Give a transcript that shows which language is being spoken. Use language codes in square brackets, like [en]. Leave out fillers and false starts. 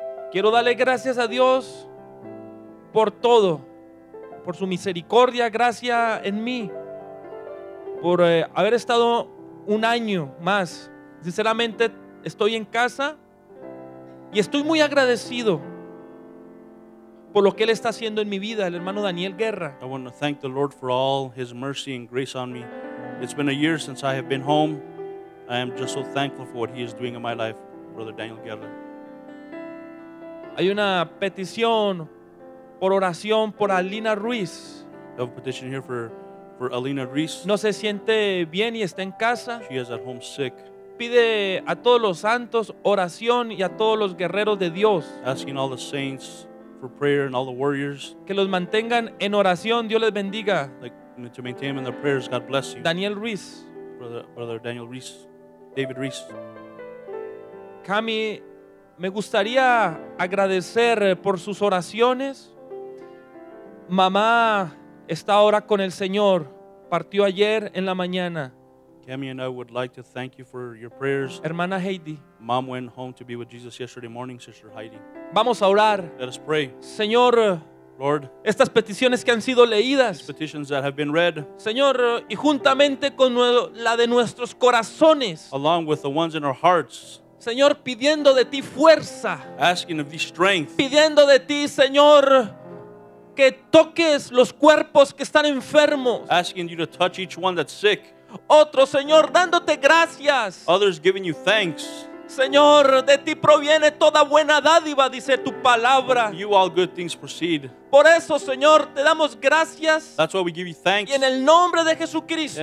[es] Quiero darle gracias a Dios por todo, por su misericordia, gracia en mí, por haber estado un año más. Sinceramente, estoy en casa y estoy muy agradecido por lo que él está haciendo en mi vida, el hermano Daniel Guerra. [en] I want to thank the Lord for all his mercy and grace on me. It's been a year since I have been home. I am just so thankful for what he is doing in my life, Brother Daniel Guerra. [es] Hay una petición por oración por Alina Ruiz. [en] I have a petition here for Alina Ruiz. [es] No se siente bien y está en casa. [en] She is at home sick. [es] Pide a todos los santos oración y a todos los guerreros de Dios. [en] Asking all the saints for prayer and all the warriors. [es] Que los mantengan en oración. Dios les bendiga. [en] To maintain them in their prayers, God bless you. [es] Daniel Ruiz. [en] Brother Daniel Ruiz. David Ruiz. [es] Cami, me gustaría agradecer por sus oraciones. Mamá está ahora con el Señor. Partió ayer en la mañana. [en] Cami and I would like to thank you for your prayers. [es] Hermana Heidi. [en] Mom went home to be with Jesus yesterday morning, Sister Heidi. [es] Vamos a orar. [en] Let us pray. [es] Señor, [en] Lord, [es] estas peticiones que han sido leídas, [en] petitions that have been read, [es] Señor, y juntamente con la de nuestros corazones, [en] along with the ones in our hearts, [es] Señor, pidiendo de ti fuerza, [en] asking of thee strength, [es] pidiendo de ti, Señor, que toques los cuerpos que están enfermos, [en] asking you to touch each one that's sick, [es] otro, Señor, dándote gracias, [en] others giving you thanks. [es] Señor, de ti proviene toda buena dádiva, dice tu palabra. [en] You all good things proceed. [es] Por eso, Señor, te damos gracias. [en] That's why we give you thanks. [es] Y en el nombre de Jesucristo.